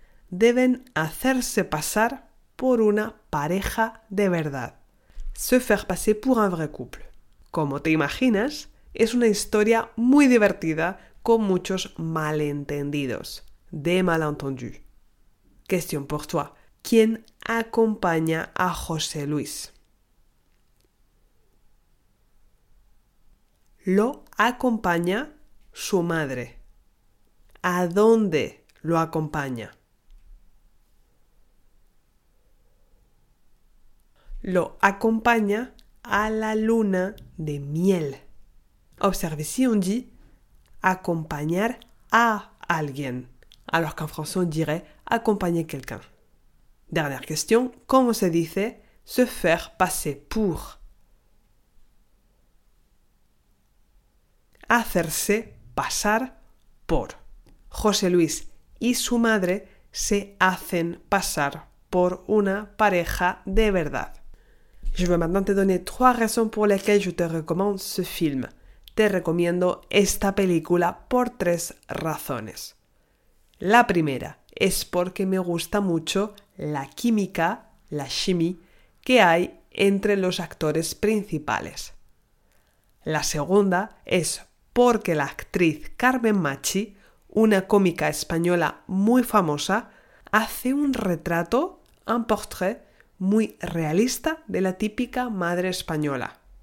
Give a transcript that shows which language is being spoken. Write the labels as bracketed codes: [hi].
[es] Deben hacerse pasar por una pareja de verdad. [fr] Se faire passer pour un vrai couple. [es] Como te imaginas, es una historia muy divertida con muchos malentendidos, [fr] des malentendus. Question pour toi. [es] ¿Quién acompaña a José Luis? Lo acompaña su madre. ¿A dónde lo acompaña? Lo acompaña a la luna de miel. [fr] Observe si on dit [es] acompañar a alguien, [fr] alors qu'en français on dirait accompagner quelqu'un. Dernière question, comment [es] se dice [fr] se faire passer pour? [es] Hacerse pasar por. José Luis y su madre se hacen pasar por una pareja de verdad. [fr] Je vais maintenant te donner trois raisons pour lesquelles je te recommande ce film. [es] Te recomiendo esta película por tres razones. La primera es porque me gusta mucho la química, la chimie, que hay entre los actores principales. La segunda es porque la actriz Carmen Machi, una cómica española muy famosa, hace un retrato, un portrait, muy realista de la típica madre española.